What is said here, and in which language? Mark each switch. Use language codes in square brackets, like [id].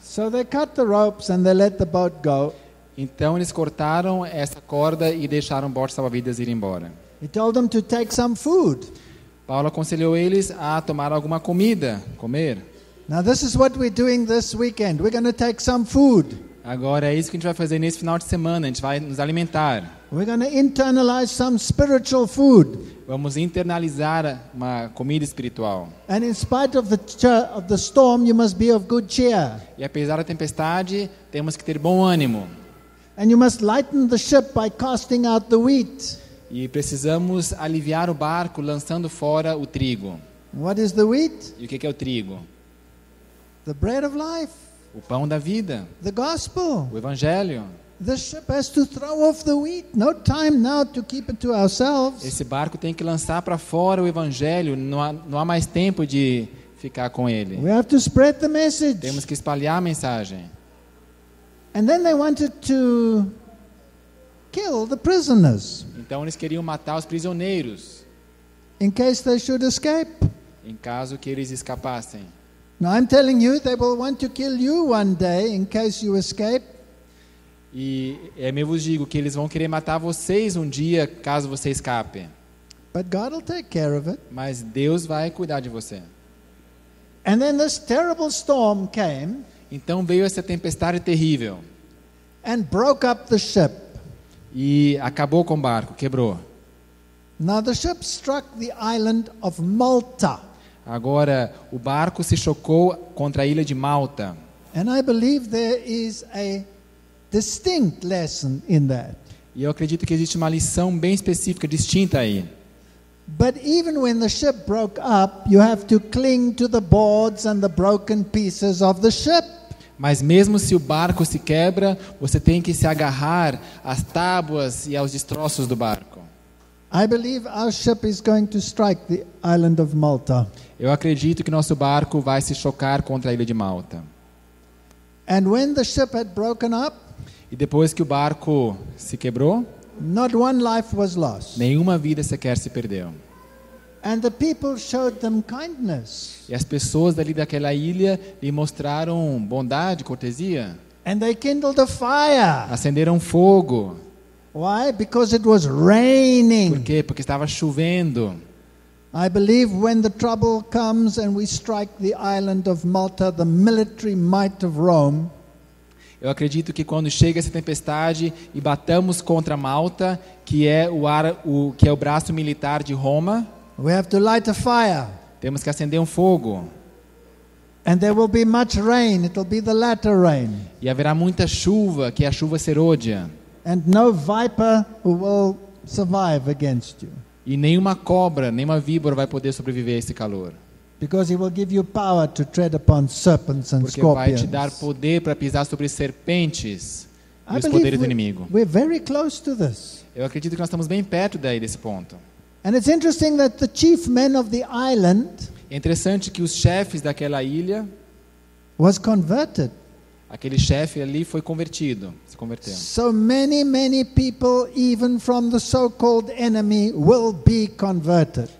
[en] So they cut the ropes and they let the boat go. [pt] Então eles cortaram essa corda e deixaram o bote salva-vidas ir embora. [en] He told them to take some food. [pt] Paulo aconselhou eles a tomar alguma comida, comer. [en] Now this is what we're doing this weekend. We're going to take some food. [pt] Agora é isso que a gente vai fazer nesse final de semana. A gente vai nos alimentar. [en] We're going to internalize some spiritual food. [pt] Vamos internalizar uma comida espiritual. [en] And in spite of the storm, you must be of good cheer. [pt] E apesar da tempestade, temos que ter bom ânimo. [en] And you must lighten the ship by casting out the wheat. [pt] E precisamos aliviar o barco lançando fora o trigo. [en] What is the wheat? [pt] E o que é o trigo? [en] The bread of life. [pt] O pão da vida. [en] The gospel. [pt] O evangelho. [en] The ship has to throw off the wheat. No time now to keep it to ourselves. [pt] Esse barco tem que lançar para fora o evangelho. Não há mais tempo de ficar com ele. [en] We have to spread the message. [pt] Temos que espalhar a mensagem. [en] And then they wanted to kill the prisoners. [pt] Então eles queriam matar os prisioneiros. [en] In case they should escape. [pt] Em caso que eles escapassem. [en] Now I'm telling you, they will want to kill you one day in case you escape. [pt] E eu vos digo que eles vão querer matar vocês um dia caso você escape. [en] But God will take care of it. [pt] Mas Deus vai cuidar de você. [en] And then this terrible storm came. [pt] Então veio essa tempestade terrível. [en] And broke up the ship. [pt] E acabou com o barco, quebrou. [en] Now the ship struck the island of Malta. [pt] Agora o barco se chocou contra a ilha de Malta. [en] And I believe there is a distinct lesson in that. [pt] E eu acredito que existe uma lição bem específica, distinta aí. [en] But even when the ship broke up, you have to cling to the boards and the broken pieces of the ship. [pt] Mas mesmo se o barco se quebra, você tem que se agarrar às tábuas e aos destroços do barco. [en] I believe our ship is going to strike the island of Malta. [pt] Eu acredito que nosso barco vai se chocar contra a ilha de Malta. [en] And when the ship had broken up, [pt] e depois que o barco se quebrou, [en] not one life was lost. [pt] Nenhuma vida sequer se perdeu. [en] And the people showed them kindness. [pt] E as pessoas dali daquela ilha lhe mostraram bondade, cortesia. [en] And they kindled a fire. [pt] Acenderam fogo. [en] Why? Because it was raining. [pt] Por quê? Porque estava chovendo. [en] I believe when the trouble comes and we strike the island of Malta, the military might of Rome. [pt] Eu acredito que quando chega essa tempestade e batamos contra Malta, que é o braço militar de Roma. [en] We have to light a fire. [pt] Temos que acender fogo. [en] And there will be much rain. It'll be the latter rain. [pt] E haverá muita chuva, que é a chuva serôdia. [en] And no viper will survive against you. [pt] E nenhuma cobra, nenhuma víbora vai poder sobreviver a esse calor. [en] Because he will give you power to tread upon serpents and scorpions. [pt] Porque vai te dar poder para pisar sobre serpentes e os poderes do inimigo. [en] We're very close to this. [pt] Eu acredito que nós estamos bem perto daí desse ponto. [en] And it's interesting that the chief men of the island, [pt] é interessante que os chefes daquela ilha, [en] was converted. [pt] Aquele chefe ali foi convertido, se converteu. [en] So many, many people, even from the so-called enemy, will be converted.